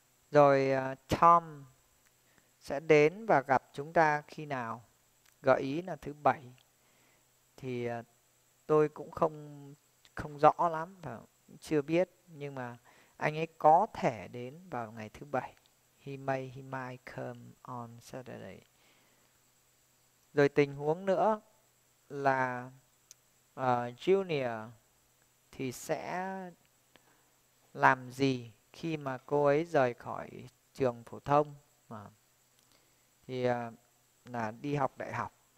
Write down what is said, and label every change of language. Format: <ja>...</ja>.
<vi>Rồi Tom sẽ đến và gặp chúng ta khi nào? Gợi ý là thứ bảy. Thì tôi cũng không không rõ lắm và chưa biết, nhưng mà anh ấy có thể đến vào ngày thứ bảy.</vi> <en>He might come on Saturday.</en> <vi>Rồi tình huống nữa là Junior thì sẽ làm gì khi mà cô ấy rời khỏi trường phổ thông, thì là đi học đại học.</vi>